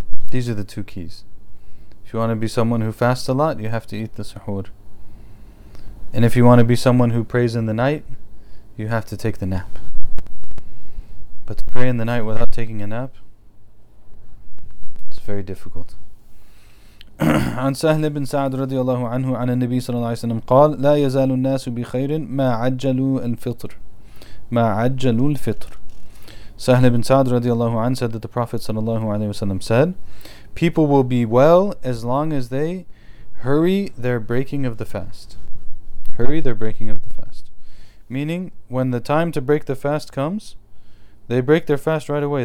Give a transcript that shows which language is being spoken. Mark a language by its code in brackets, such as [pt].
[en] These are the two keys. If you want to be someone who fasts a lot, you have to eat the suhoor. And if you want to be someone who prays in the night, you have to take the nap. But to pray in the night without taking a nap, it's very difficult. [ar] عن سهل بن سعد رضي الله عنه عن النبي صلى الله عليه وسلم قال لا يزال الناس بخير ما عجلوا الفطر. مَا عَجَّلُوا الْفِطْرِ. [en] Sahl ibn Sa'd radiallahu anhu said that the Prophet sallallahu alayhi wa sallam said, people will be well as long as they hurry their breaking of the fast. Hurry their breaking of the fast. Meaning, when the time to break the fast comes, they break their fast right away.